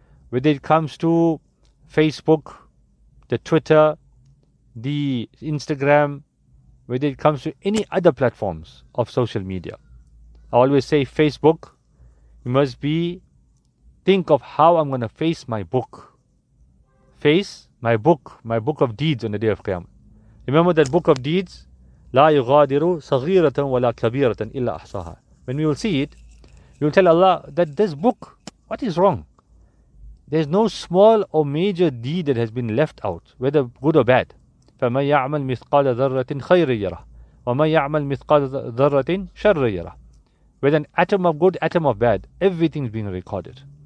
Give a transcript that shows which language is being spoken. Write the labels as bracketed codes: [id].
[en] Whether it comes to Facebook, the Twitter, the Instagram, whether it comes to any other platforms of social media. I always say Facebook, you must be, think of how I'm going to face my book. Face my book of deeds on the day of Qiyamah. Remember that book of deeds? [ar] لا يغادر صغيرة ولا كبيرة إلا أحصاها. [en] When we will see it, we will tell Allah that this book, what is wrong? There's no small or major deed that has been left out, whether good or bad. [ar] فَمَنْ يَعْمَلْ مِثْقَالَ ذَرَّةٍ خَيْرٍ يَرَهُ وَمَنْ يَعْمَلْ مِثْقَالَ ذَرَّةٍ شَرٍّ يَرَهُ. [en] With an atom of good, atom of bad, everything is being recorded.